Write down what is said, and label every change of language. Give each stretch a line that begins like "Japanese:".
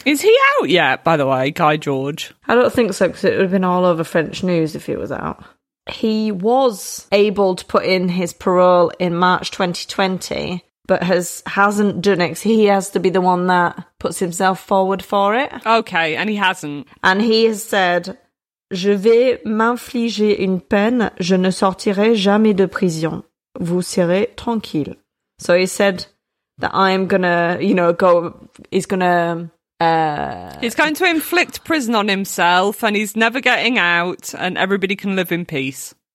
English: Is he out yet, by the way, Guy George? I don't think so, because it would have been all over French news if he was out. He was able to put in his parole in March 2020, but hasn't done it. He has to be the one that puts himself forward for it. Okay, and he hasn't. And he has said,
French: je vais m'infliger une peine, je ne sortirai jamais de prison. Vous serez tranquille.
English: So he said that I'm gonna, you know, go, he's going to inflict prison on himself, and he's never getting out, and everybody can live in peace.